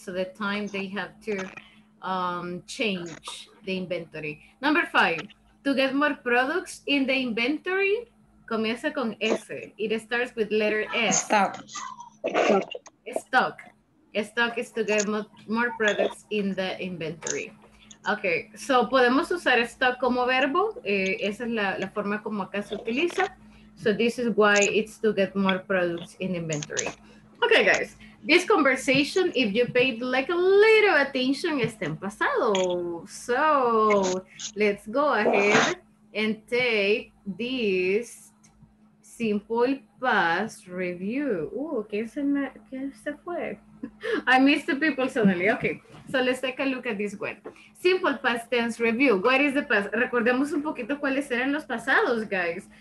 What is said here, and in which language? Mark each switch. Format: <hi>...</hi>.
<en>So, the time they have to change the inventory. Number five, to get more products in the inventory,</en> <es>comienza con S.</es> <en>It starts with letter S. Stock. Stock. Stock is to get more products in the inventory.</en> <es>Okay, so podemos usar stock como verbo. Esa es la forma como acá se utiliza.</es> <en>So this is why it's to get more products in inventory. Okay, guys. This conversation, if you paid like a little attention,</en> <es>está en pasado.</es> <en>So let's go ahead and take this simple past review. Ooh,</en> <es>¿quién se fue?</es> <en>I missed the people suddenly. Okay, so let's take a look at this one. Simple past tense review. What is the past?</en> <es>Recordemos un poquito cuáles eran los pasados, guys.</es>